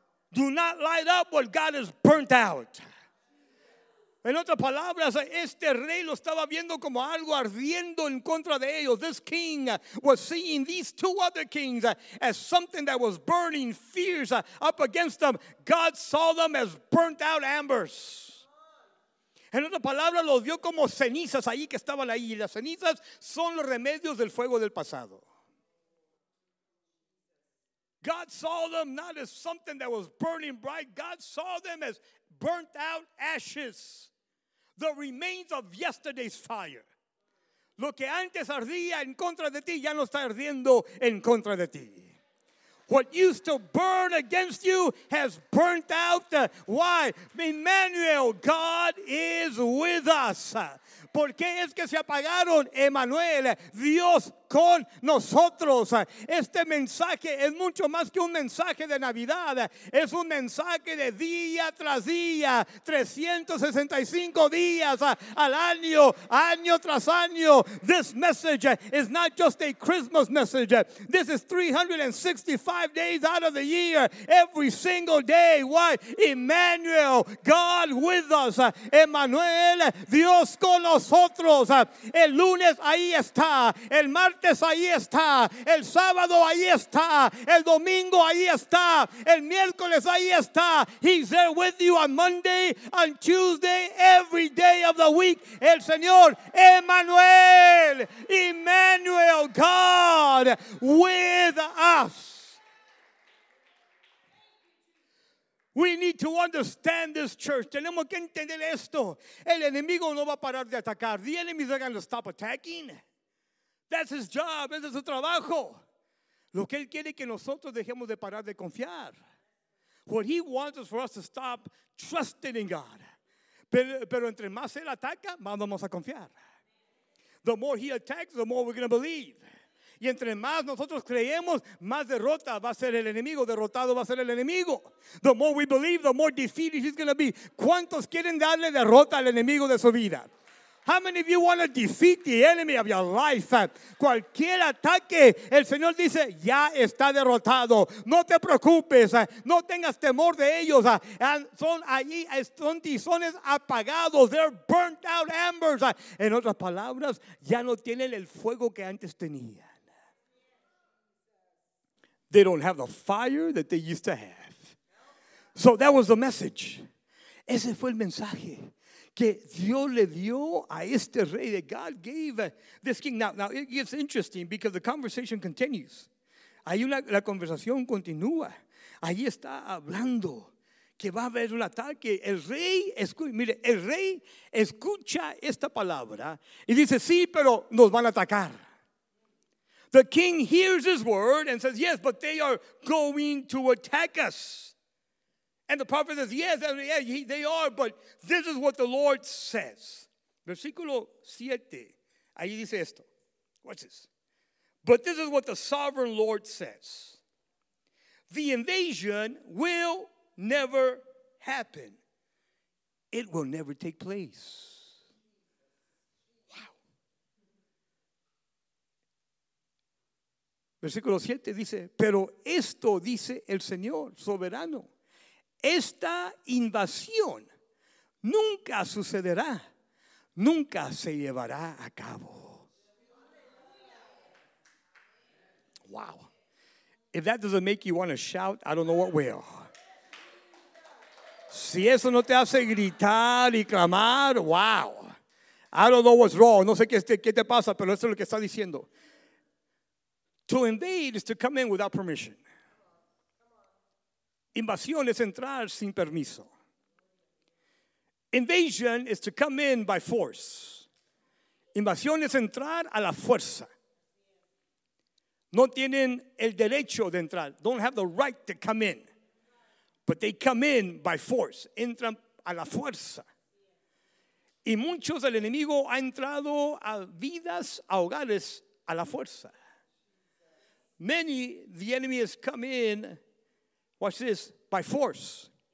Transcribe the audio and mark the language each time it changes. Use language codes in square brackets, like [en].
[en] Do not light up what God has burnt out. [es] En otras palabras, este rey lo estaba viendo como algo ardiendo en contra de ellos. [en] This king was seeing these two other kings as something that was burning fierce up against them. God saw them as burnt out embers. [es] En otras palabras, los vio como cenizas ahí que estaban ahí. Y las cenizas son los remedios del fuego del pasado. [en] God saw them not as something that was burning bright. God saw them as burnt out ashes, the remains of yesterday's fire. [es] Lo que antes ardía en contra de ti ya no está ardiendo en contra de ti. [en] What used to burn against you has burnt out. Why? Emmanuel, God is with us. [es] ¿Por qué es que se apagaron, Emmanuel? Dios con nosotros. Este mensaje es mucho más que un mensaje de Navidad. Es un mensaje de día tras día, 365 días al año, año tras año. [en] This message is not just a Christmas message. This is 365 days out of the year, every single day. Why? Emmanuel, God with us. [es] Emmanuel, Dios con nosotros. El lunes ahí está, el martes ahí está, el sábado ahí está, el domingo ahí está, el miércoles ahí está. [en] He's there with you on Monday, on Tuesday, every day of the week. [es] El Señor [en] Emmanuel, Emmanuel, God with us. We need to understand this, church. [es] Tenemos que entender esto. El enemigo no va a parar de atacar. [en] The enemy is going to stop attacking. That's his job. [es] Ese es su trabajo. Lo que él quiere que nosotros dejemos de parar de confiar. [en] What he wants is for us to stop trusting in God. [es] Pero entre más él ataca, más vamos a confiar. [en] The more he attacks, the more we're going to believe. [es] Y entre más nosotros creemos, más derrota va a ser el enemigo. Derrotado va a ser el enemigo. [en] The more we believe, the more defeated he's going to be. [es] ¿Cuántos quieren darle derrota al enemigo de su vida? [en] How many of you want to defeat the enemy of your life? [es] Cualquier ataque, el Señor dice, ya está derrotado. No te preocupes, no tengas temor de ellos. Son allí, son tizones apagados. [en] They're burnt out embers. [es] En otras palabras, ya no tienen el fuego que antes tenían. [en] They don't have the fire that they used to have. So that was the message. [es] Ese fue el mensaje que Dios le dio a este rey, [en] that God gave this king. Now it gets interesting because the conversation continues. [es] Ahí la conversación continúa. Ahí está hablando que va a haber un ataque. El rey, mire, el rey escucha esta palabra y dice, sí, pero nos van a atacar. [en] The king hears his word and says, yes, but they are going to attack us. And the prophet says, yes, they are, but this is what the Lord says. [es] Versículo 7, ahí dice esto. [en] Watch this. But this is what the sovereign Lord says. The invasion will never happen. It will never take place. Wow. [es] Versículo 7 dice, pero esto dice el Señor soberano. Esta invasión nunca sucederá, nunca se llevará a cabo. Wow. [en] If that doesn't make you want to shout, I don't know what will. [es] Si eso no te hace gritar y clamar, wow. [en] I don't know what's wrong. [es] No sé qué te pasa, pero eso es lo que está diciendo. [en] To invade is to come in without permission. [es] Invasión es entrar sin permiso. [en] Invasion is to come in by force. [es] Invasión es entrar a la fuerza. No tienen el derecho de entrar. [en] Don't have the right to come in. But they come in by force. [es] Entran a la fuerza. Y muchos del enemigo ha entrado a vidas, a hogares, a la fuerza. [en] Many, the enemy has come in, watch this, by force.